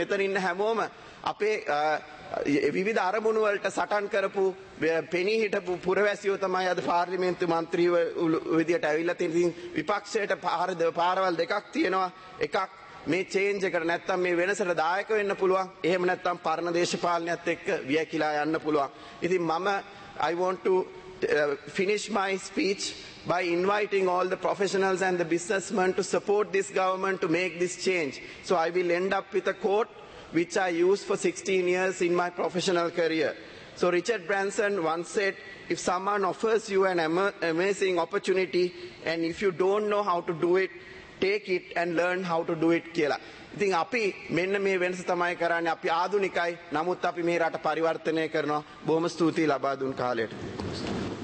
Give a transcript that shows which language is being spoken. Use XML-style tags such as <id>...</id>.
<si>මෙතන ඉන්න හැමෝම අපේ විවිධ අරමුණු වලට සටන් කරපු පෙනී හිටපු පුරවැසියෝ තමයි අද පාර්ලිමේන්තු මන්ත්‍රීව විදියට ඇවිල්ලා තියෙන. විපක්ෂයට පාරවල් දෙකක් තියෙනවා. එකක් මේ චේන්ජ් එකට නැත්තම් මේ වෙනසට දායක වෙන්න පුළුවන්, එහෙම නැත්තම් පරණ දේශපාලනයත් එක්ක වියකිලා යන්න පුළුවන්. ඉතින් මම</si> <en>I want to finish my speech by inviting all the professionals and the businessmen to support this government to make this change. So I will end up with a quote which I used for 16 years in my professional career. So Richard Branson once said, if someone offers you an amazing opportunity and if you don't know how to do it, take it and learn how to do it.</en> <si>ඉතින් අපි මෙන්න මේ වෙනස තමයි කරන්නේ. අපි ආදුනිකයි, නමුත් අපි මේ රට පරිවර්තනය කරනවා. බොහොම ස්තුතියි ලබා දුන් කාලයට.</si>